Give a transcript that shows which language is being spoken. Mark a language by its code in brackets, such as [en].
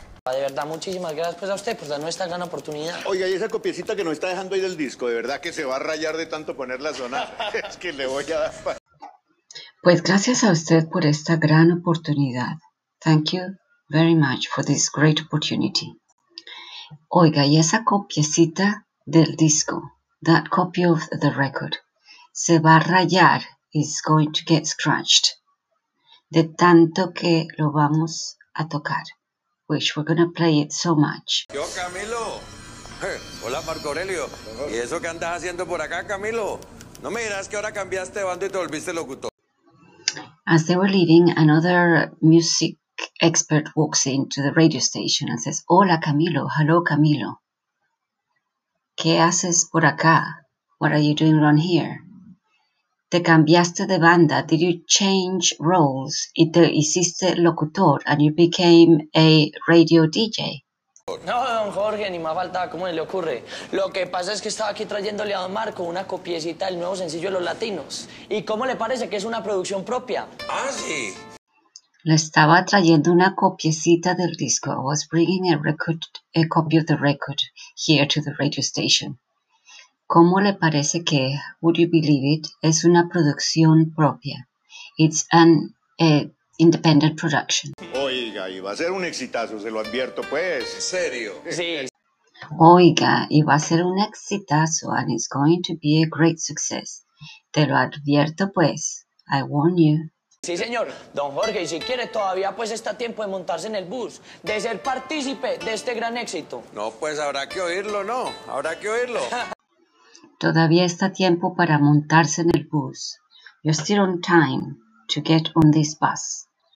[es] De verdad, muchísimas gracias pues a usted por darnos esta gran oportunidad. Oiga, y esa copiecita que nos está dejando ahí del disco, de verdad que se va a rayar de tanto ponerla a sonar. Es que le voy a dar... Pues gracias a usted por esta gran oportunidad. [en] Thank you very much for this great opportunity. [es] Oiga, y esa copiecita del disco, [en] that copy of the record, [es] se va a rayar, [en] is going to get scratched, [es] de tanto que lo vamos a tocar, [en] which we're going to play it so much. [es] Yo, Camilo. Hola, Marco Aurelio. ¿Y eso qué andas haciendo por acá, Camilo? No me dirás que ahora cambiaste de bando y te volviste locutor. [en] As they were leaving, another music expert walks into the radio station and says, [es] Hola, Camilo. [en] Hello, Camilo. [es] ¿Qué haces por acá? [en] What are you doing around here? [es] Te cambiaste de banda. [en] Did you change roles? [es] Y te hiciste locutor [en] and you became a radio DJ. [es] No, don Jorge, ni más faltaba. ¿Cómo le ocurre? Lo que pasa es que estaba aquí trayéndole a don Marco una copiecita del nuevo sencillo de Los Latinos. ¿Y cómo le parece que es una producción propia? ¡Ah, sí! Le estaba trayendo una copiecita del disco. [en] I was bringing a copy of the record here to the radio station. [es] ¿Cómo le parece que, [en] would you believe it, [es] es una producción propia? [en] It's an... independent production. [es] Oiga, y va a ser un exitazo, se lo advierto, pues. ¿En serio? Sí. Oiga, y va a ser un exitazo, [en] and it's going to be a great success. [es] Te lo advierto, pues. [en] I warn you. [es] Sí, señor. Don Jorge, y si quiere, todavía pues está tiempo de montarse en el bus, de ser partícipe de este gran éxito. No, pues habrá que oírlo, ¿no? Habrá que oírlo. Todavía está tiempo para montarse en el bus. [en] You're still on time. To get on this bus.